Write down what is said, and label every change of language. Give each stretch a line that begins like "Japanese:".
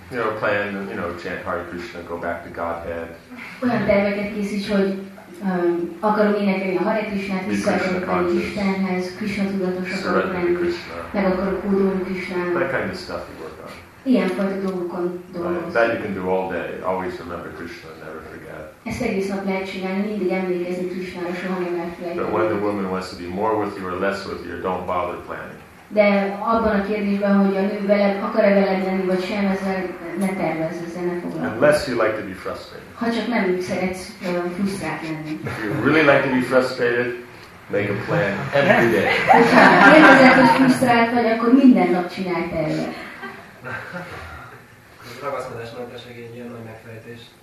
English: You know, plan, you know, chant Hare Krishna, go back to Godhead.
Hungarian: Olyan terveket készíts, hogy akarom énekelni a Hare Krishnát, visszaadok a Istenhez, Krishna tudatosak akarok lenni, meg akarok kódolni Krishnának.
English: That kind of stuff you work on.
Hungarian: Ilyenfajta dolgokon dolgozom.
English: Right. That you can do all day, always remember Krishna, never forget.
Hungarian: Ezt egész nap lehet csinálni, mindig emlékezni Krishnára, soha nem elfelejteni.
English: But when the woman wants to be more with you or less with you, don't bother planning.
Hungarian: De abban a kérdésben, hogy a nő veled, akar-e veled lenni, vagy sem, ezzel ne tervezz, ezzel ne foglalkozz.
English: Unless you like to be frustrated.
Hungarian: Ha csak nem szeretsz frusztrált lenni.
English: If you really like to be frustrated, make a plan every day.
Hungarian: Ha nem ezzel, hogy frusztrált vagy, akkor minden nap csinálj tervet. Ragaszkodás mentes egy ilyen nagy megfejtés.